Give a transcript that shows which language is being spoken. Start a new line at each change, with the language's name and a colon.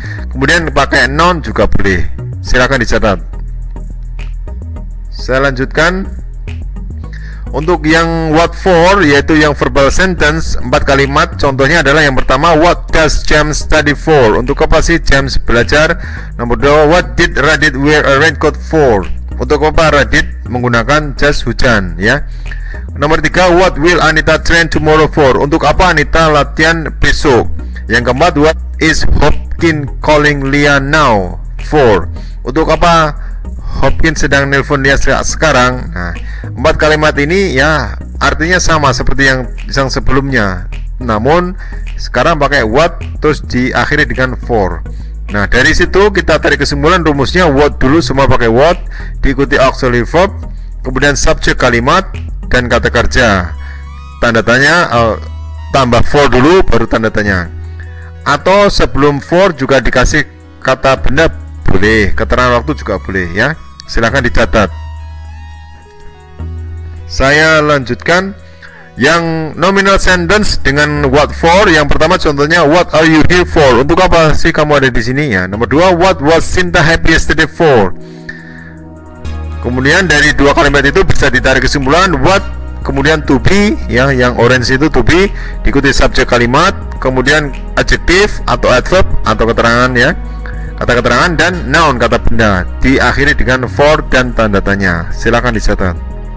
Indonesian: Kemudian pakai noun juga boleh. Silakan dicatat. Saya lanjutkan. Untuk yang what for, yaitu yang verbal sentence, empat kalimat, contohnya adalah yang pertama,
English: what does James study for?
Indonesian: Untuk apa sih James belajar? Nomor dua,
English: what did Radit wear a raincoat for?
Indonesian: Untuk apa Radit menggunakan jas hujan, ya? Nomor tiga,
English: what will Anita train tomorrow for?
Indonesian: Untuk apa Anita latihan besok? Yang keempat,
English: what is Hopkins calling Lia now for?
Indonesian: Untuk apa Hopkins sedang nelpon dia sekarang? Nah, empat kalimat ini ya artinya sama seperti yang sebelumnya, namun sekarang pakai what terus diakhiri dengan for. Nah, dari situ kita tarik kesimpulan rumusnya, what dulu semua pakai what, diikuti auxiliary verb, kemudian subjek kalimat dan kata kerja tanda tanya, tambah for dulu baru tanda tanya, atau sebelum for juga dikasih kata benda boleh, keterangan waktu juga boleh ya. Silakan dicatat. Saya lanjutkan. Yang nominal sentence dengan what for, yang pertama contohnya,
English: what are you here for?
Indonesian: Untuk apa sih kamu ada di sini ya? Nomor dua,
English: what was Sinta happy yesterday for?
Indonesian: Kemudian dari dua kalimat itu bisa ditarik kesimpulan, what kemudian to be ya, yang orange itu to be, diikuti subjek kalimat, kemudian adjektif atau adverb atau keterangan ya, kata keterangan dan noun kata benda, diakhiri dengan for dan tanda tanya. Silakan dicatat.